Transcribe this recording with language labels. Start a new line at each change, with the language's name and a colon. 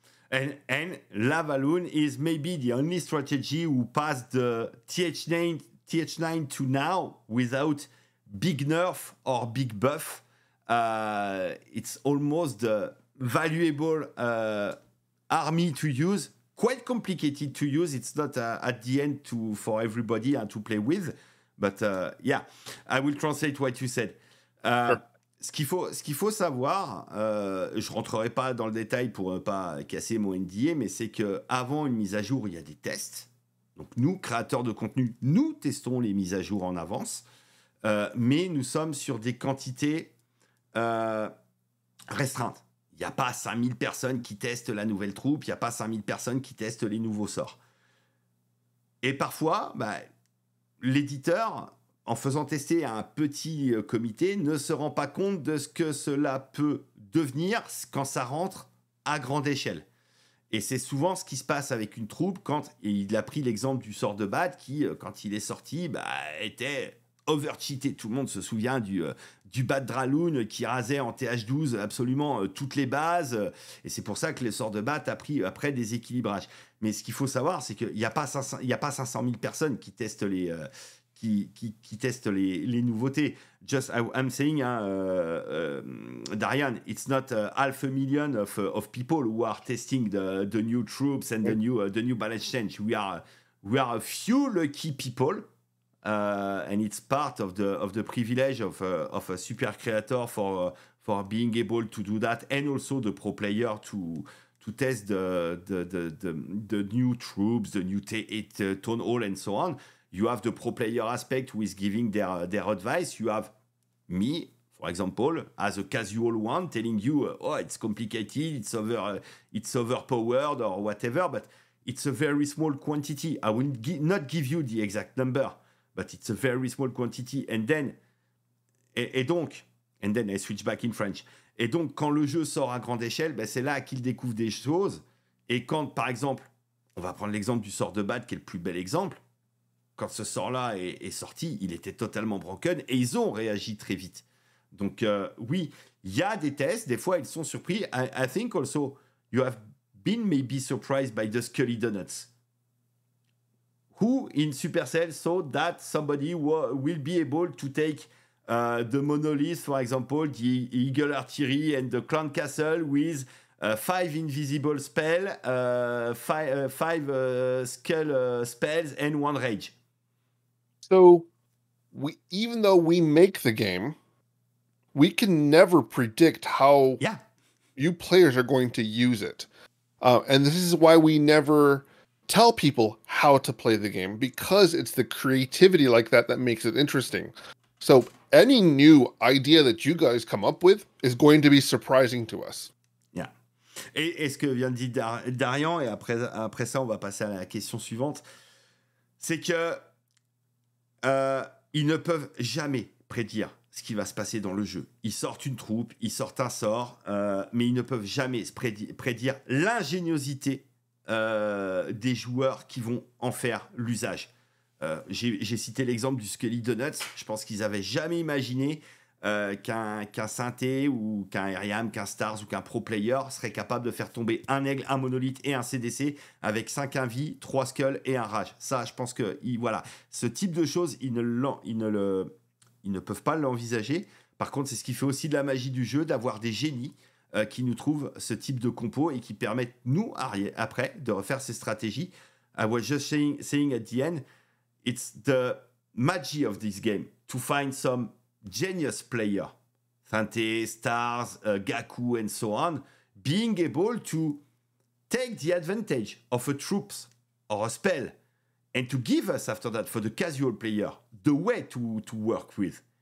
English: And Lavaloon is maybe the only strategy who passed the TH9 to now without big nerf or big buff. It's almost a valuable army to use. Quite complicated to use. It's not at the end for everybody to play with. But yeah, I will translate what you said. Sure.
French: Ce qu'il faut savoir, je ne rentrerai pas dans le détail pour ne pas casser mon NDA, mais c'est qu'avant une mise à jour, il y a des tests. Donc nous, créateurs de contenu, nous testons les mises à jour en avance. Mais nous sommes sur des quantités restreintes. Il n'y a pas 5000 personnes qui testent la nouvelle troupe, il n'y a pas 5000 personnes qui testent les nouveaux sorts. Et parfois, l'éditeur, en faisant tester à un petit comité, ne se rend pas compte de ce que cela peut devenir quand ça rentre à grande échelle. Et c'est souvent ce qui se passe avec une troupe quand il a pris l'exemple du sort de Bad qui, quand il est sorti, était overcheaté. Tout le monde se souvient du Bad Draloon qui rasait en TH12 absolument toutes les bases. Et c'est pour ça que le sort de Bad a pris après des équilibrages. Mais ce qu'il faut savoir, c'est qu'il n'y a pas 500 000 personnes qui testent les... Qui teste les nouveautés.
English: Just I'm saying, Darian, it's not half a million of people who are testing the new troops and the new balance change. We are a few lucky people, and it's part of the privilege of a super creator for being able to do that, and also the pro player to test the new troops, the new town hall, and so on. You have the pro player aspect who is giving their advice. You have me, for example, as a casual one, telling you, oh, it's complicated, it's overpowered or whatever, but it's a very small quantity. I will not give you the exact number, but it's a very small quantity. And then I switch back in French.
French: Et donc, quand le jeu sort à grande échelle, c'est là qu'il découvre des choses. Et quand, par exemple, on va prendre l'exemple du sort de Bad, qui est le plus bel exemple, quand ce sort-là est sorti, il était totalement broken et ils ont réagi très vite. Donc oui, il y a des tests. Des fois, ils sont surpris.
English: I think also you have been maybe surprised by the Scully Donuts. Who in Supercell saw that somebody will be able to take the Monolith, for example, the Eagle Artillery and the Clan Castle with five invisible spells, skull spells, and one rage. So, even though we make the game, we can never predict how you players are going to use it. And this is why we never tell people how to play the game, because it's the creativity like that that makes it interesting. So, any new idea that you guys come up with is going to be surprising to us.
French: Et ce que vient de dire Darian, et après ça, on va passer à la question suivante, c'est que ils ne peuvent jamais prédire ce qui va se passer dans le jeu. Ils sortent une troupe, ils sortent un sort, mais ils ne peuvent jamais prédire l'ingéniosité des joueurs qui vont en faire l'usage. J'ai cité l'exemple du Skelly Donuts. Je pense qu'ils n'avaient jamais imaginé qu'un synthé ou qu'un Iriam, qu'un Stars ou qu'un pro player serait capable de faire tomber un aigle, un monolithe et un CDC avec 5 invis, 3 skulls et un rage. Ça, je pense que voilà, ce type de choses, ils ne peuvent pas l'envisager. Par contre, c'est ce qui fait aussi de la magie du jeu, d'avoir des génies qui nous trouvent ce type de compo et qui permettent, nous, après, de refaire ces stratégies.
English: I was just saying at the end, it's the magic of this game to find some genius player, Thante, Stars, Gaku, and so on, being able to take the advantage of a troops or a spell and to give us, after that, for the casual player, the way to work with.